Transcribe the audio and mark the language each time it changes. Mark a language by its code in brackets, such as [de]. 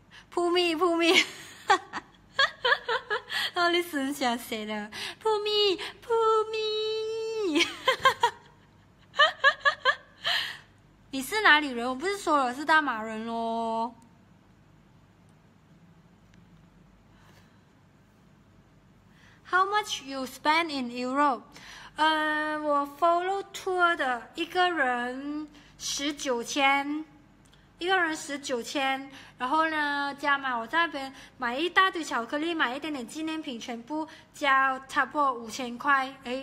[zh] 扑咪扑咪，哈哈哈哈哈！你是很喜欢谁的？扑咪扑咪，哈哈哈哈！你是哪里人？我不是说了是大马人喽。 [en] How much you spend in Europe？ [zh] 我 follow tour 的一个人19000，一个人19000。然后呢，加嘛，我在那边买一大堆巧克力，买一点点纪念品，全部加差不多5000块。